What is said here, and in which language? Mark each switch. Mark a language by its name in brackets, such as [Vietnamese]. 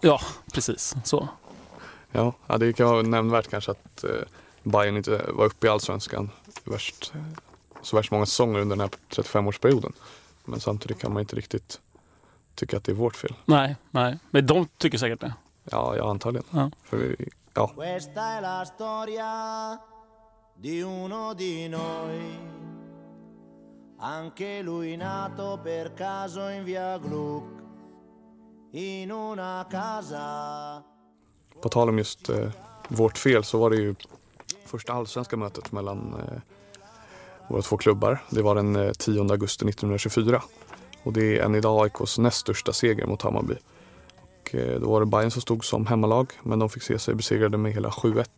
[Swedish] Ja, precis. Så. Ja, det kan vara nämnvärt kanske att Bayern inte var uppe i allsvenskan så värst många säsonger under den här 35-årsperioden. Men samtidigt kan man inte riktigt tycka att det är vårt fel. Nej. Men de tycker säkert det. Ja, jag antar det. Ja. För vi, ja. [Italian] Questa è la storia di uno di noi. Anche lui nato per caso in via Gluck in una casa. [Swedish] På tal om just vårt fel, så var det ju första allsvenska mötet mellan våra två klubbar. Det var den 10 augusti 1924. Och det är än idag AIKs näst största seger mot Hammarby. Och då var det Bayern som stod som hemmalag, men de fick se sig besegrade med hela 7-1.